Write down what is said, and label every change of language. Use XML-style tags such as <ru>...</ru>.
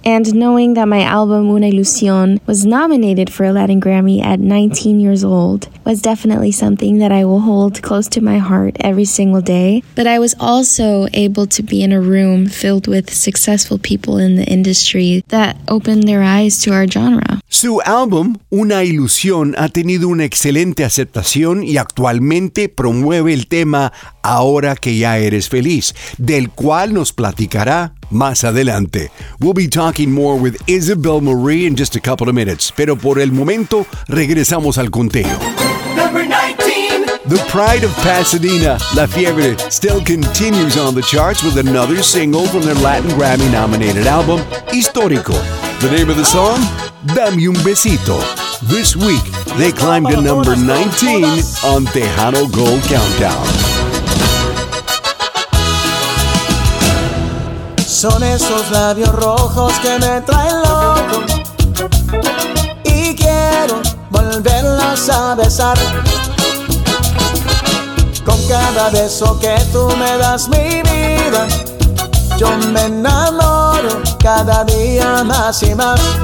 <en>And knowing that my album Una Ilusión was nominated for a Latin Grammy at 19 years old was definitely something that I will hold close to my heart every single day. But I was also able to be in a room filled with successful people in the industry that opened their eyes to our genre.</en> <es>Su álbum, Una Ilusión, ha tenido una excelente aceptación y actualmente promueve el tema Ahora Que Ya Eres Feliz, del cual nos platicará más adelante.</es> <en>We'll be talking more with Isabel Marie in just a couple of minutes, pero por el momento regresamos al conteo. Number 19. The pride of Pasadena, La Fiebre, still continues on the charts with another single from their Latin Grammy-nominated album, Histórico. The name of the song? Dame Un Besito. This week, they climbed to number 19 on Tejano Gold Countdown.</en> <es>Son esos labios rojos que me traen loco y quiero volverlos a besar. Con cada beso que tú me das mi vida, yo me enamoro cada día más y más.</es>